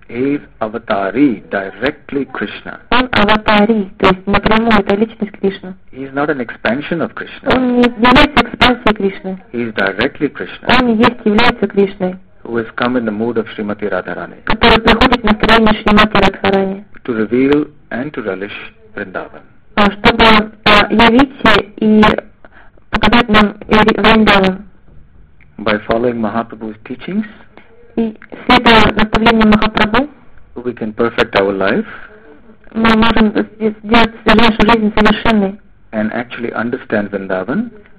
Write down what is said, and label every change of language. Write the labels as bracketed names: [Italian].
[English] He is avatari, directly Krishna. [Russian] Он аватари, то есть напрямую это личность Кришна. [English] He is not an expansion of Krishna. [Russian] Он не является экспансией Кришны. [English] He is directly Krishna. [Russian] Он есть, является Кришной. [English] Who has come in the mood of Srimati Radharani. [Russian] Который приходит в настроение Шримати Радхарани. [English] To reveal and to relish Vrindavan. [Russian] Чтобы явить и показать нам Вриндаван. [English] By following Mahaprabhu's teachings. [Russian] И следуя наставлениям Махапрабху. [English] We can perfect our life. [Russian] Мы можем сделать нашу жизнь совершенной. [English] And actually understand Vrindavan.